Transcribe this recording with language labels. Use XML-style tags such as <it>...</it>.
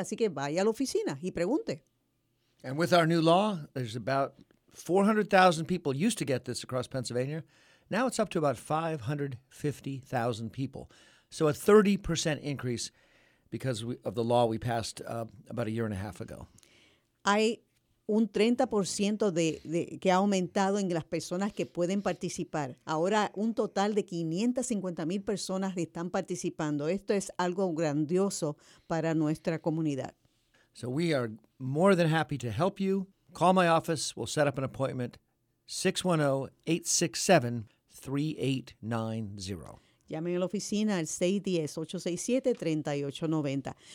<es>Así que vaya a la oficina y pregunte.</es> <en>And with our new law, there's about 400,000 people used to get this across Pennsylvania. Now it's up to about 550,000 people. So a 30% increase because of the law we passed about a year and a half ago.</en> <es>hay un 30% de que ha aumentado en las personas que pueden participar. Ahora un total de 550 mil personas están participando. Esto es algo grandioso para nuestra comunidad.</es> <en>So we are more than happy to help you. Call my office. We'll set up an appointment. 610-867-3890.</en> <es>Llame a la oficina al 610-867-3890.</es>